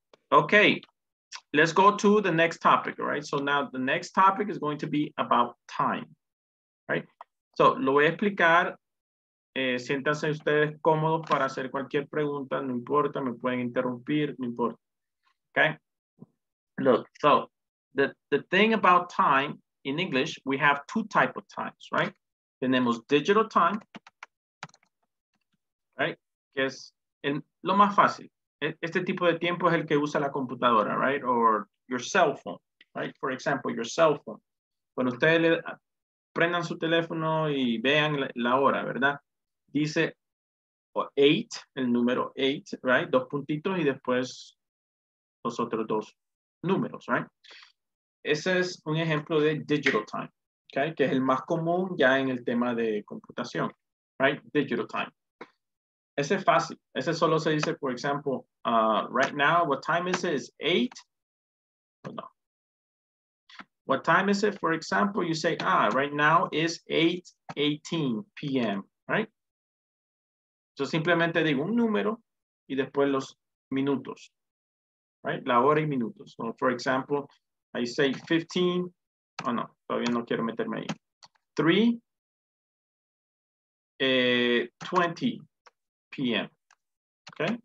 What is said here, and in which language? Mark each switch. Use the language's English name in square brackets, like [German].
[English] Okay, let's go to the next topic, right? So now the next topic is going to be about time, right? [Spanish] So lo voy a explicar. Siéntanse ustedes cómodos para hacer cualquier pregunta, no importa, me pueden interrumpir, no importa. [English] Okay? Look, so the thing about time in English, we have 2 types of times, right? [Spanish] Tenemos digital time, right? Que es lo más fácil. Este tipo de tiempo es el que usa la computadora, right? [English] Or your cell phone, right? For example, your cell phone. [Spanish] Cuando ustedes prendan su teléfono y vean la hora, ¿verdad? Dice 8, el número 8, right? 2 puntitos y después los otros 2 números, right? Ese es un ejemplo de digital time, okay? Que es el más común ya en el tema de computación, right? [English] Digital time. [Spanish] Ese es fácil. Ese solo se dice, por ejemplo, [English] right now, what time is it? Is 8? No. What time is it? For example, you say, right now is 8:18 p.m., right? [Spanish] Yo simplemente digo un número y después los minutos, right? La hora y minutos. [English] So for example, I say 15, oh no, [Spanish] todavía no quiero meterme ahí. [English] 3:20 p.m., okay?